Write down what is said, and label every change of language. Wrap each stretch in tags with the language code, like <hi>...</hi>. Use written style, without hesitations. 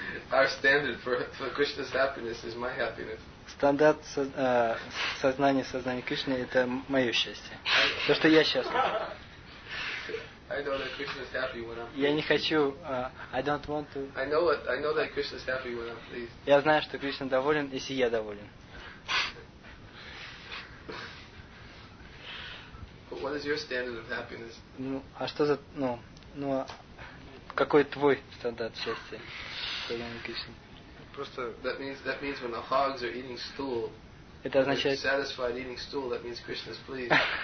<en>Our standard for Krishna's happiness is my happiness.</en> <ru>Стандарт сознания Кришны это мое счастье. То, что я счастлив.</ru> <en>I don't know that Krishna's happy when I'm pleased.</en> <ru>Я не хочу.</ru> <en>I don't want to. I know that Krishna's happy when I'm pleased.</en> <ru>Я знаю, что Кришна доволен, если я доволен.</ru> <en>What is your standard of happiness?</en> <ru>Ну, а что за, ну, ну, а какой твой стандарт счастья? Просто</ru> <en>that means when the hogs are eating stool.</en> <ru>Это означает</ru> <en>satisfied eating stool, that means Krishna is pleased.</en>